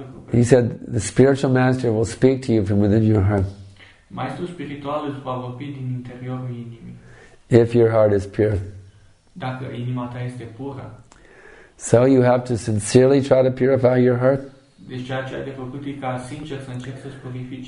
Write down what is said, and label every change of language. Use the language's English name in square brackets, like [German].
[English] He said, the spiritual master will speak to you from within your heart. [Romanian] Maestrul spiritual îți va vorbi din interiorul inimii. [English] If your heart is pure. [Romanian] Dacă inima ta este pură. [English] So you have to sincerely try to purify your heart. [Romanian] Deci ceea ce ai de făcut e ca sincer să încerci să-ți purifici